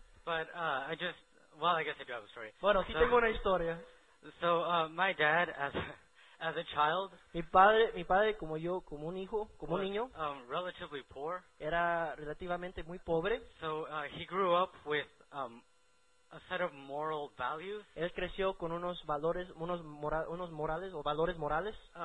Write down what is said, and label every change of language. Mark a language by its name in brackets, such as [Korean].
[English] But I guess I do have a story. [Spanish] Bueno, sí tengo una historia. [English] So my dad, as a child, [Spanish] mi padre como yo, como un hijo, como [English] was, [Spanish] un niño, [English] relatively poor. [Spanish] Era relativamente muy pobre. [English] So he grew up with a set of moral values. [Spanish] Él creció con unos valores, unos morales o valores morales.